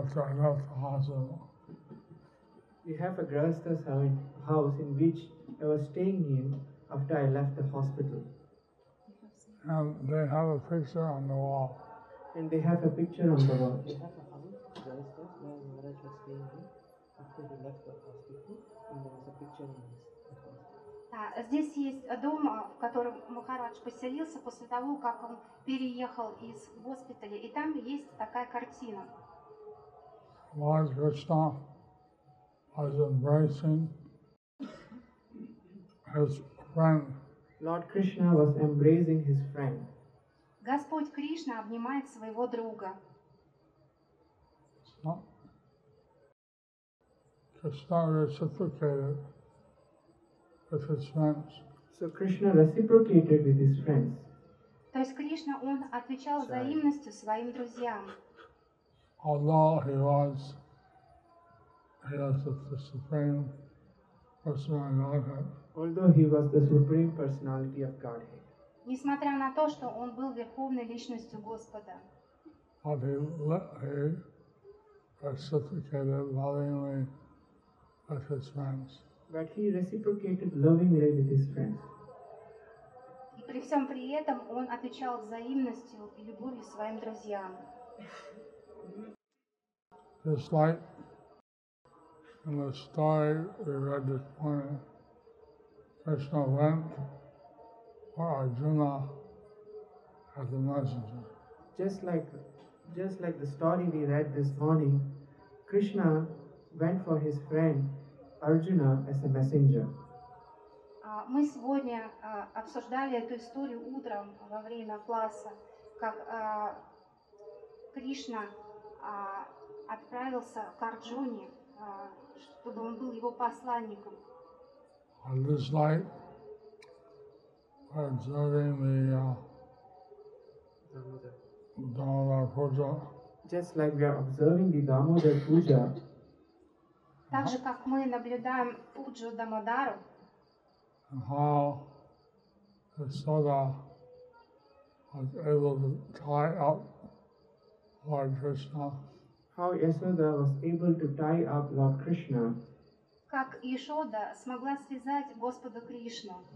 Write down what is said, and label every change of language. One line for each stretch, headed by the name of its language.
English: We have a grihastha's house in which I was staying in after I left the hospital. And they have a picture on the wall. They have a grihastha's house where Maharaj was staying in after he left the hospital, and there was a picture on this.
Russian: Здесь есть дом, в котором Махарадж поселился после того, как он переехал из госпиталя, и там есть такая картина.
English: Lord Krishna was embracing his friend. Lord Krishna was embracing his friend.
Russian: Господь Кришна обнимает своего друга.
English: Krishna reciprocated with his friends. So Krishna reciprocated with his friends.
Russian: То есть Кришна он отвечал взаимностью своим друзьям.
English: Although he was the supreme personality of Godhead. Although he was the supreme personality of Godhead.
Russian: Несмотря на то, что он был верховной личностью Господа.
English: But he reciprocated lovingly with his friends. But he reciprocated lovingly with his friends.
Russian: И при всем при этом он отвечал взаимностью и любовью своим друзьям.
English: Just like in the story we read this morning, Krishna went for Arjuna as a messenger. Just like the story we read this morning, Krishna went for his friend Arjuna as a messenger.
Russian: Мы сегодня обсуждали эту историю утром во время класса, как Кришна отправился к Арджуне, чтобы он был его посланником.
English: And this light, we're observing the Dhamma Puja. Just like we are observing the Dhamma Puja.
Russian: Так же, как мы наблюдаем Пуджу Дамодару.
English: And how the Soda was able to tie up Lord Krishna. How Yashoda was able to tie up Lord Krishna.
Russian: Как Ишода смогла связать Господа Кришну.